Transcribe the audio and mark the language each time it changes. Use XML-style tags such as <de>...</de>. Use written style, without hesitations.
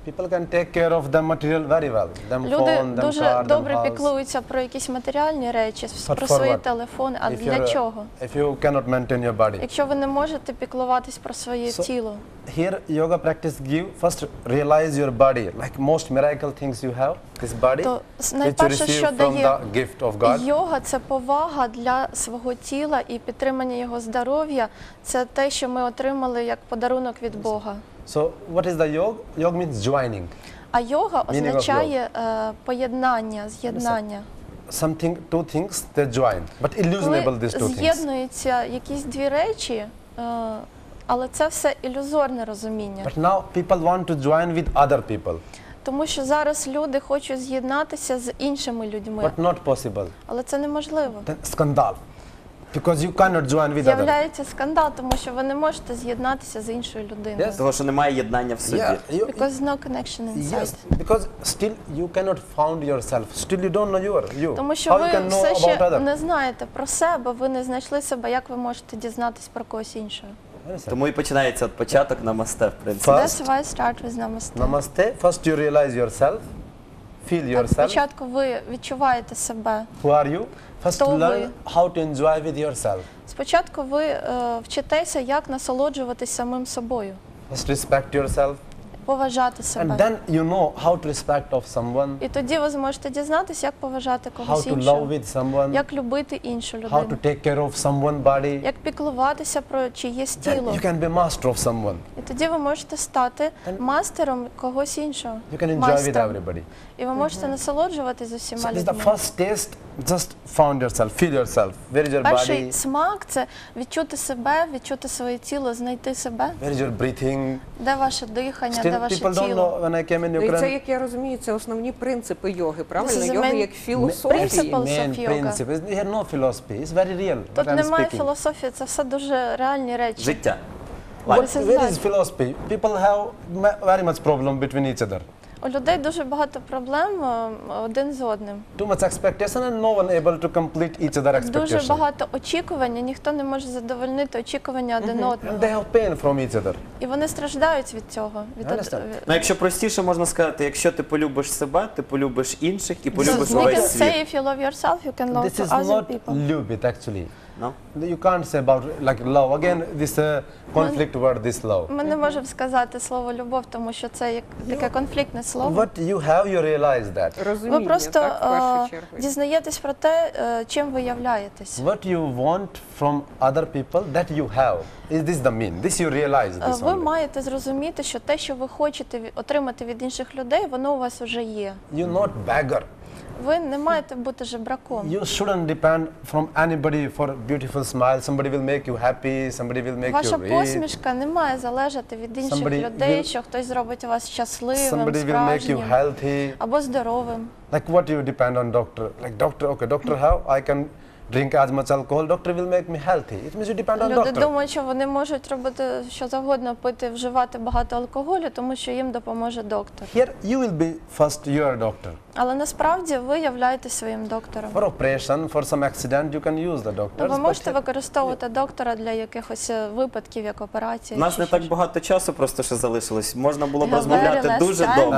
<en>People can take care of the material very well. Them phone, them car, them house.</en> <uk>Люди дуже добре піклуються про якісь матеріальні речі, про свої телефони, а для чого?</uk> <en>If you cannot maintain your body.</en> <uk>Якщо ви не можете піклуватись про своє тіло.</uk> <en>Here yoga practice give first realize your body like most miracle things you have this body which you receive from the gift of God.</en> <uk>Йога це повага для свого тіла і підтримання його здоров'я, це те, що ми отримали як подарунок від Бога.</uk> <en>So what is the yoga? Yoga means joining.</en> <uk>А йога означає поєднання, з'єднання.</uk> <en>Something two things they join, but illusionable these two things.</en> <uk>З'єднуються якісь дві речі, але це все ілюзорне розуміння.</uk> <en>But now people want to join with other people.</en> <uk>Тому що зараз люди хочуть з'єднатися з іншими людьми.</uk> <en>But not possible.</en> <uk>Але це неможливо.</uk> <en>Then</en> <uk>скандал.</uk> <en>Because you cannot join with other.</en> <uk>З'являється скандал, тому що ви не можете з'єднатися з іншою людиною.</uk> <en>Yes.</en> <uk>Тому що немає єднання в собі.</uk> <en>Yeah. You, because no connection inside. Yes. Because still you cannot found yourself. Still you don't know you.</en> <uk>Тому що ви все ще не знаєте про себе, ви не знайшли себе, як ви можете дізнатися про когось іншого. Тому і починається от початок намасте, в принципі.</uk> <en>That's why I start with намасте. Намасте. First you realize yourself, feel yourself.</en> <uk>Так, спочатку ви відчуваєте себе.</uk> <en>Who are you? First</en> <uk>то</uk> <en>learn</en> <uk>ви.</uk> <en>How to enjoy with yourself.</en> <uk>Спочатку ви вчитеся, як насолоджуватись самим собою.</uk> <en>First respect yourself.</en> <uk>Поважати себе.</uk> <en>And then you know how to respect of someone.</en> <uk>І тоді ви зможете дізнатися, як поважати когось іншого.</uk> <en>How to love with someone.</en> <uk>Як любити іншу людину.</uk> <en>How to take care of someone body.</en> <uk>Як піклуватися про чиєсь тіло.</uk> <en>Then you can be master of someone.</en> <uk>І тоді ви можете стати мастером когось іншого.</uk> <en>You can enjoy with everybody.</en> <uk>І ви можете насолоджуватись з усіма людьми.</uk> <en>So this is the first taste Just find yourself, feel yourself, where is your body?</en> <uk>Перший смак – це відчути себе, відчути своє тіло, знайти себе.</uk> <en>Where is your breathing?</en> <uk>Де ваше дихання, де ваше тіло?</uk> <en>Still people don't know when I came in Ukraine.</en> <uk>І це, як я розумію, це основні принципи йоги, правильно? Йоги як філософії.</uk> <en>This is the main principle of yoga. You have no philosophy, it's very real.</en> <uk>Тут немає філософії, це все дуже реальні речі. Життя.</uk> <en>Where is philosophy? People have very much problem between each other.</en> <uk>У людей дуже багато проблем один з одним.</uk> <en>Too much expectation and no one able to complete each other expectation.</en> <uk>Дуже багато очікування, ніхто не може задовольнити очікування один одного.</uk> <en>And they have pain from each other.</en> <uk>І вони страждають від цього. Ну, якщо простіше, можна сказати, якщо ти полюбиш себе, ти полюбиш інших і полюбиш увесь світ.</uk> <en>You can say if you love yourself, you can love other people. This is not</en> <uk>любі,</uk> <en>actually. No? You can't say about like love. Again, this conflict word, this love.</en> <uk>Ми не можемо сказати слово «любов», тому що це як таке конфліктне слово.</uk> <en>What you have, you realize that.</en> <uk>Ви просто дізнаєтесь про те, чим ви являєтесь.</uk> <en>What you want from other people, that you have. Is this the mean? This you realize this</en> <uk>Ви маєте зрозуміти, що те, що ви хочете отримати від інших людей, воно у вас вже є.</uk> <en>You're not beggar.</en> <uk>Ви не маєте бути жебраком.</uk> <en>You shouldn't depend from anybody for a beautiful smile. Somebody will make you happy, somebody will make</en> <uk>Ваша</uk> <en>you rich.</en> <uk>Ваша посмішка не має залежати від інших</uk> <en>somebody</en> <uk>людей, що хтось зробить вас щасливим,</uk> <en>somebody</en> <uk>справжнім.</uk> <en>Somebody will make you healthy.</en> <uk>Або здоровим.</uk> <en>Like what you depend on doctor? Like doctor, okay, doctor how I can drink as much alcohol, doctor will make me healthy. It means you depend on</en> <uk>Люди</uk> <en>doctor.</en> <uk>Люди думають, що вони можуть робити що завгодно, пити, вживати багато алкоголю, тому що їм допоможе доктор.</uk> <en>Here you will be first your doctor.</en> <uk>Але насправді ви являєтесь своїм доктором.</uk> <en>For operation, for some accident, you can use the doctors.</en> <uk>Ви можете використовувати доктора для якихось випадків, як операції. У нас не так багато часу просто ще залишилось. Можна було б розмовляти дуже довго.</uk>